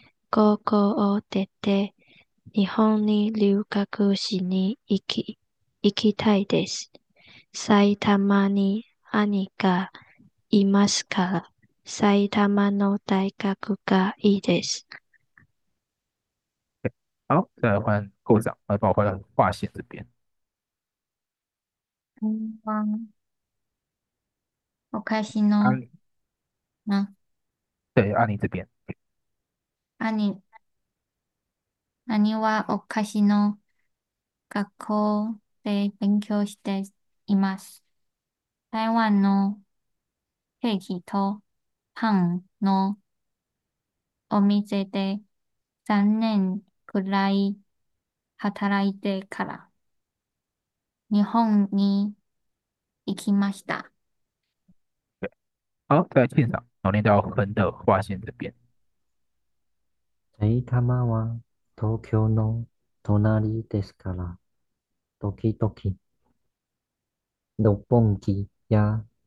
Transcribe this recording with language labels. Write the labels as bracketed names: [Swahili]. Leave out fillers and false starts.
[Japanese] 高校を出て、日本に留学しに行きたいです。埼玉に兄がいますから、埼玉の大学がいいです。 [Chinese] 好，再来换扣上，来帮我换到划线这边。好开心阿、哦！嗯，对，阿妮这边。 [Japanese] 兄はお菓子の学校で勉強しています。台湾のケーキとパンのお店で3年くらい働いてから日本に行きました。 [Chinese] 好，在现场，我念到横的划线这边。 [Japanese] 埼玉は東京の隣ですから、時々、六本木や、